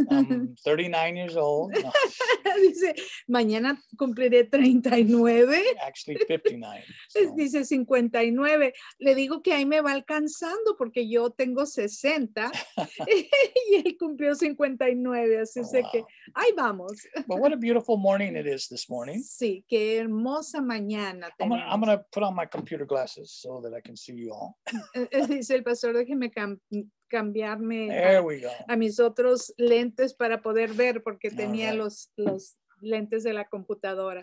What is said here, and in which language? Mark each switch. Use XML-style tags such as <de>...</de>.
<en>I'm 39 years old. No.</en> <es>Dice, mañana cumpliré 39.</es> <en>Actually, 59. So.</en> <es>Dice 59. Le digo que ahí me va alcanzando porque yo tengo 60 y él cumplió 59, así sé que ahí vamos.</es> <en>Well, what a beautiful morning it is this morning.</en> <es>Sí, qué hermosa mañana.</es> <en>I'm going to put on my computer glasses so that I can see you all.</en> <es>Dice el pastor, déjeme cambiarme a mis otros lentes para poder ver porque tenía los lentes de la computadora.</es>